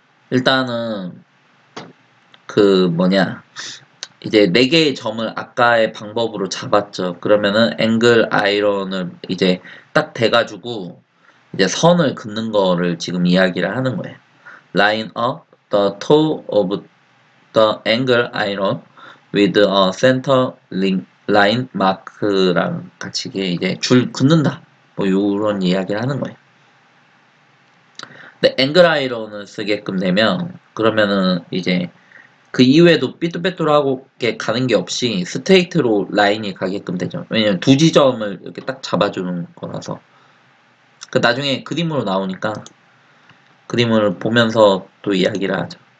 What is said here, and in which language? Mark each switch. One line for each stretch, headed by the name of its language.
Korean: 일단은 그 뭐냐 이제 네 개의 점을 아까의 방법으로 잡았죠. 그러면은 앵글 아이론을 이제 딱 대가지고 이제 선을 긋는 거를 지금 이야기를 하는 거예요.
English: Line up the toe of the angle iron with a center line mark
Korean: 랑 같이 이제 줄 긋는다. 뭐 이런 이야기를 하는 거예요. 근데 앵글 아이론을 쓰게끔 되면 그러면은 이제 그 이외에도 삐뚤빼뚤하게 가는 게 없이 스트레이트로 라인이 가게끔 되죠. 왜냐면 두 지점을 이렇게 딱 잡아주는 거라서 그 나중에 그림으로 나오니까 그림을 보면서 또 이야기를 하죠.